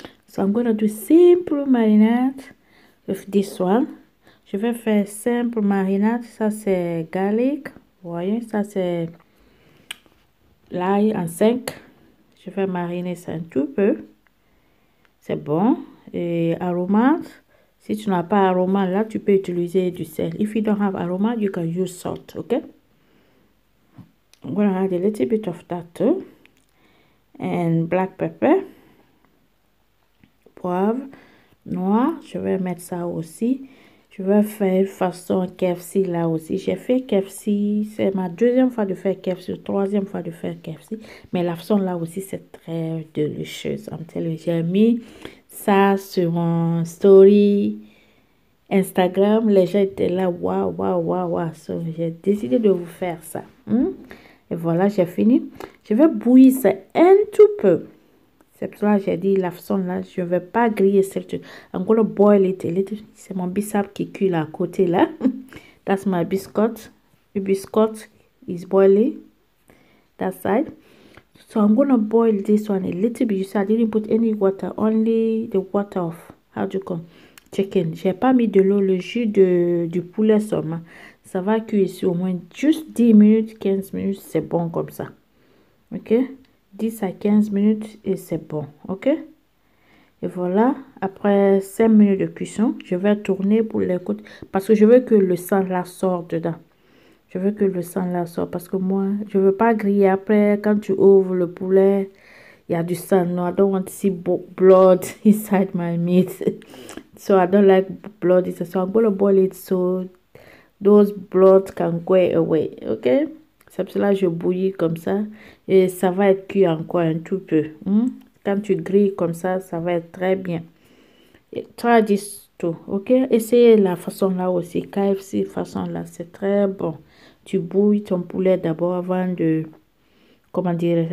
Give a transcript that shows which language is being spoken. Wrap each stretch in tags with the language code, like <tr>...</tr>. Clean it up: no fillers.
<en>So, I'm going to do simple marinade with this one.</en> <fr>Je vais faire simple marinade, ça c'est garlic, vous voyez, ça c'est l'ail en 5. Je vais mariner ça un tout peu, c'est bon. Et aromate, si tu n'as pas aromate, là tu peux utiliser du sel.</fr> <en>If you don't have aromate, you can use salt, ok? I'm gonna add a little bit of that too. And black pepper,</en> <fr>poivre, noir, je vais mettre ça aussi. Je vais faire façon KFC là aussi. J'ai fait KFC, c'est ma deuxième fois de faire KFC, troisième fois de faire KFC. Mais la façon là aussi, c'est très délicieuse. J'ai mis ça sur mon story Instagram. Les gens étaient là, waouh, waouh, waouh, waouh. So, j'ai décidé de vous faire ça. Et voilà, j'ai fini. Je vais bouillir ça un tout peu. C'est pour ça que j'ai dit la façon là, je ne vais pas griller cette chose.</fr> <en>I'm going to boil it a little.</en> <fr>C'est mon bisap qui cuit là à côté là.</fr> <en>That's my biscuit. The biscuit is boiling. That side. So I'm going to boil this one a little bit. You see, I didn't put any water. Only the water of, how do you call, chicken.</en> <fr>Je n'ai pas mis de l'eau, le jus de, du poulet seulement. Ça va cuire ici au moins juste 10 minutes, 15 minutes. C'est bon comme ça. Ok? 10 à 15 minutes et c'est bon, ok? Et voilà, après 5 minutes de cuisson, je vais tourner pour les côtés parce que je veux que le sang là sorte dedans. Je veux que le sang là sorte parce que moi, je veux pas griller après quand tu ouvres le poulet, il y a du sang.</fr> <en>No, I don't want to see blood inside my meat. So I don't like blood. So I'm going to boil it so those blood can go away, ok?</en> <fr>C'est pour cela que je bouillis comme ça. Et ça va être cuit encore un tout peu. Quand tu grilles comme ça, ça va être très bien. Et</fr> <en>try this too,</en> <fr>ok? Essayez la façon là aussi. KFC façon là, c'est très bon. Tu bouilles ton poulet d'abord avant de... Comment dire?</fr>